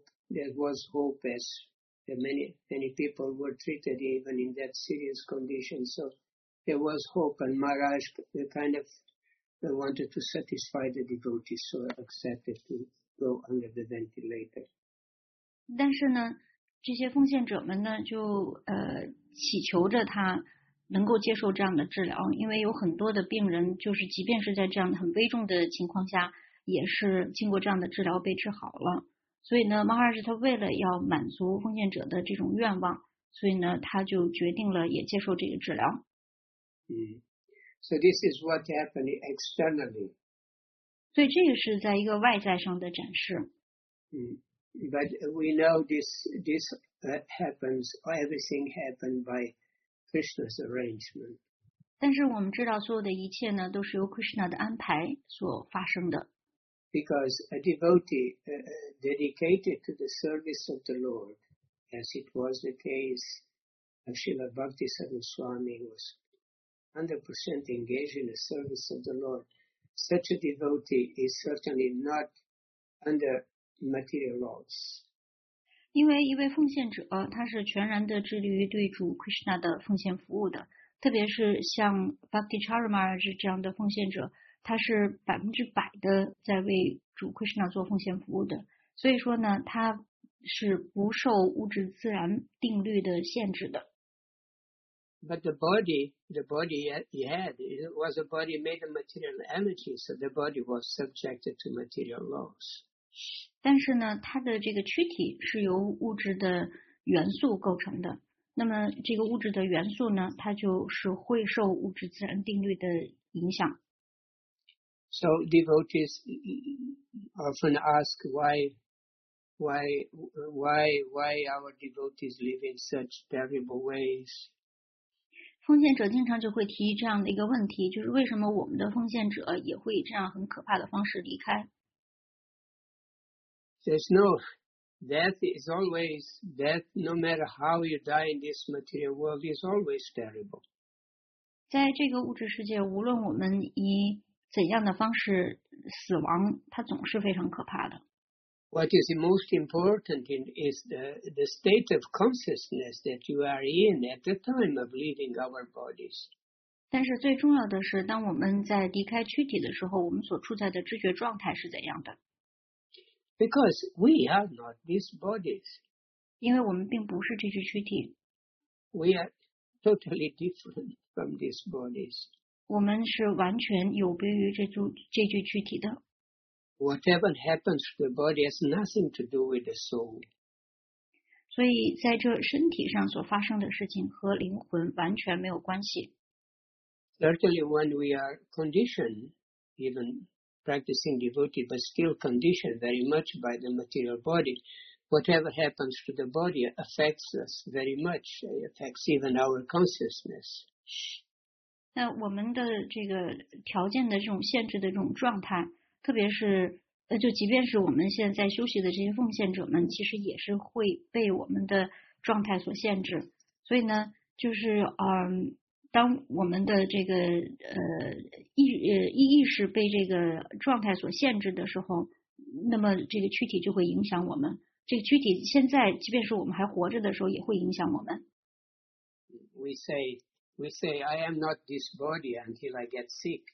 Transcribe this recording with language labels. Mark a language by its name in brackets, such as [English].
[English] There was hope, as many people were treated even in that serious condition. So there was hope, and Maharaj kind of wanted to satisfy the devotees, so accepted to go under the ventilator. [Chinese] 但是呢，这些奉献者们呢，就祈求着他能够接受这样的治疗，因为有很多的病人，就是即便是在这样很危重的情况下，也是经过这样的治疗被治好了。所以呢，马哈士他为了要满足奉献者的这种愿望，所以呢，他就决定了也接受这个治疗。 [English] So this is what happened externally. [Chinese] 所以这个是在一个外在上的展示。 [English] But we know this happens, everything happened by Krishna's arrangement. [Chinese] 但是我们知道所有的一切呢，都是由 Krishna 的安排所发生的。 [English] Because a devotee dedicated to the service of the Lord, as it was the case of Srila Bhakti Saraswami, was 100% engaged in the service of the Lord, such a devotee is certainly not under... material loss. [Chinese] 因为一位奉献者他是全然的致力于对主 Krishna 的奉献服务的，特别是像 Bhakti Charamaraj 这样的奉献者，他是100%的在为主 Krishna 做奉献服务的，所以说呢，他是不受物质自然定律的限制的。 [English] But the body he had, it was a body made of material energy, so the body was subjected to material loss. [Chinese] 但是呢，他的这个躯体是由物质的元素构成的，那么这个物质的元素呢，它就是会受物质自然定律的影响。 [English] So devotees often ask why our devotees live in such terrible ways. [Chinese] 奉献者经常就会提这样的一个问题，就是为什么我们的奉献者也会以这样很可怕的方式离开。 [English] There's no death is always death. No matter how you die in this material world, is always terrible. [Chinese] 在这个物质世界，无论我们以怎样的方式死亡，它总是非常可怕的。 [English] What is most important is the state of consciousness that you are in at the time of leaving our bodies. [Chinese] 但是最重要的是，当我们在离开躯体的时候，我们所处在的知觉状态是怎样的。 [English] Because we are not these bodies. [Chinese] 因为我们并不是这具躯体。 [English] We are totally different from these bodies. [Chinese] 我们是完全有别于这具躯体的。 [English] Whatever happens to the body has nothing to do with the soul. [Chinese] 所以在这身体上所发生的事情和灵魂完全没有关系。 [English] Certainly when we are conditioned, even practicing devotee, but still conditioned very much by the material body. whatever happens to the body affects us very much. It affects even our consciousness. [Chinese] 那我们的这个条件的这种限制的这种状态，特别是就即便是我们现在休息的这些奉献者们，其实也是会被我们的状态所限制。所以呢，就是当我们的这个意识被这个状态所限制的时候，那么这个躯体就会影响我们。这个躯体现在，即便是我们还活着的时候，也会影响我们。 [English] We say, I am not this body until I get sick.